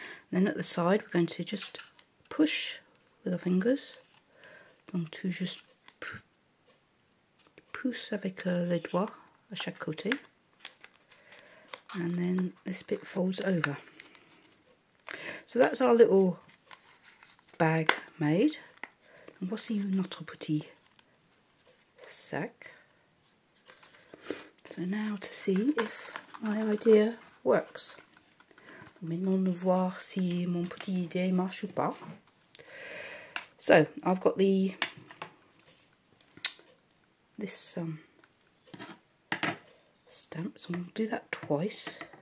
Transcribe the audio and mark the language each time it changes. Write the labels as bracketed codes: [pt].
[en] Then at the side, we're going to just push with our fingers. [fr] Donc, [en] to just push [fr] avec les doigts à chaque côté. [en] And then this bit folds over. So that's our little bag made. [fr] And voici notre petit sac. [en] So now to see if my idea works. [fr] Maintenant, de voir si mon petit idée marche ou pas. [en] So I've got this stamp, so I'll do that twice.